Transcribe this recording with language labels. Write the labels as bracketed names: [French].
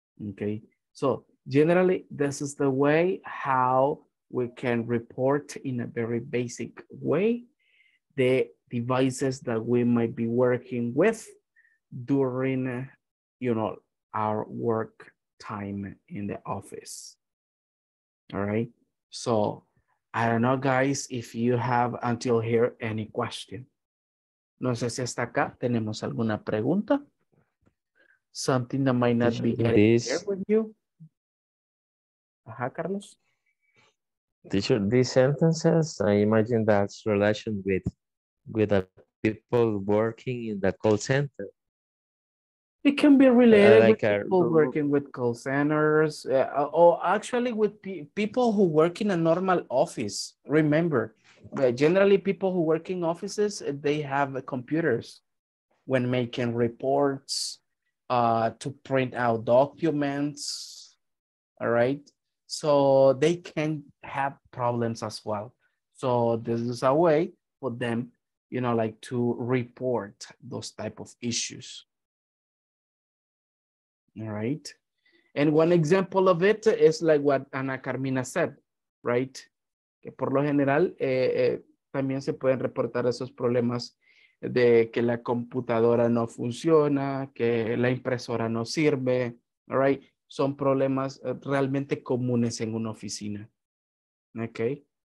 [English] Okay, so generally this is the way how we can report in a very basic way the devices that we might be working with during, you know, our work time in the office. All right, so I don't know, guys, if you have until here any question. [Spanish] No sé si hasta acá tenemos alguna pregunta. [English] Something that might not be clear with you. [Spanish] Ajá, Carlos. [English] Teacher, these sentences, I imagine that's relation with the people working in the call center. It can be related like with people working with call centers or actually with people who work in a normal office. Remember, generally people who work in offices, they have computers when making reports to print out documents, all right? So they can have problems as well. So this is a way for them, you know, like to report those type of issues. All right. And one example of it is like what Ana Carmina said, right? [Spanish] Que por lo general también se pueden reportar esos problemas de que la computadora no funciona, que la impresora no sirve, [English] all right? [Spanish] Son problemas realmente comunes en una oficina. Okay.